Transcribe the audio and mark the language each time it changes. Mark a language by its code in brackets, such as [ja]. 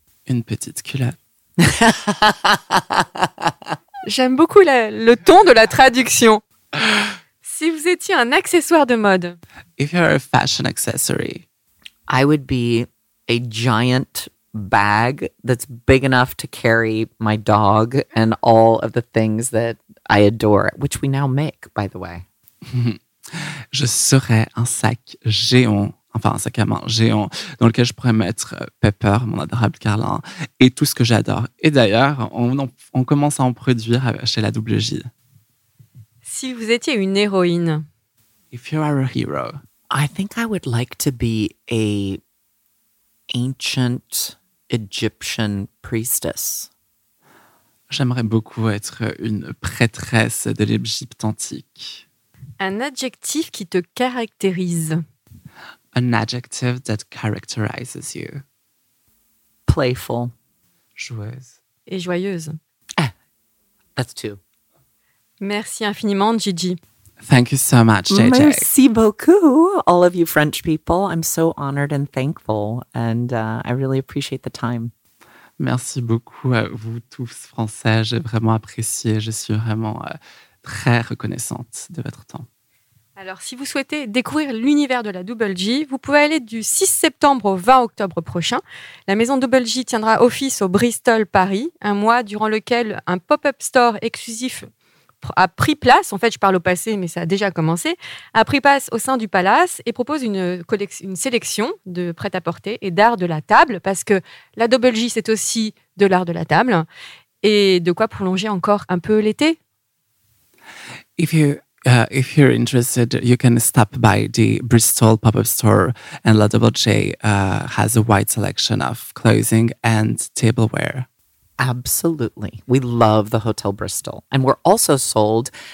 [fr] Une petite culotte. J'aime beaucoup le ton de la traduction. Si si vous étiez un accessoire de mode? [en] If you're a fashion accessory. I would be a giant bag that's big enough to carry my dog and all of the things that I adore, which we now make, by the way. [fr] Je serais un sac géant, enfin un sac à main géant, dans lequel je pourrais mettre Pepper, mon adorable Carlin, et tout ce que j'adore. Et d'ailleurs, on commence à en produire chez la double J. Si vous étiez une héroïne. [en] If you are a hero. I think I would like to be a ancient Egyptian priestess. [fr] J'aimerais beaucoup être une prêtresse de l'Égypte antique. Un adjectif qui te caractérise. [en] An adjective that characterizes you. Playful. [fr] Joueuse. Et joyeuse. [en] Ah, that's two. [fr] Merci infiniment, Gigi. [en] Thank you so much, JJ. [fr] Merci beaucoup, [en] all of you French people. I'm so honored and thankful, and I really appreciate the time. [fr] Merci beaucoup à vous tous, Français. J'ai vraiment apprécié. Je suis vraiment très reconnaissante de votre temps. Alors, si vous souhaitez découvrir l'univers de la Double J, vous pouvez aller du 6 septembre au 20 octobre prochain. La maison Double J tiendra office au Bristol Paris, un mois durant lequel un pop-up store exclusif a pris place, en fait je parle au passé mais ça a déjà commencé, a pris place au sein du palace et propose une sélection de prêt-à-porter et d'art de la table, parce que la Double J c'est aussi de l'art de la table et de quoi prolonger encore un peu l'été. [en] If you're interested, you can stop by the Bristol pop-up store, and la Double J has a wide selection of clothing and tableware. Absolutely. We love the Hotel Bristol. And we're also sold.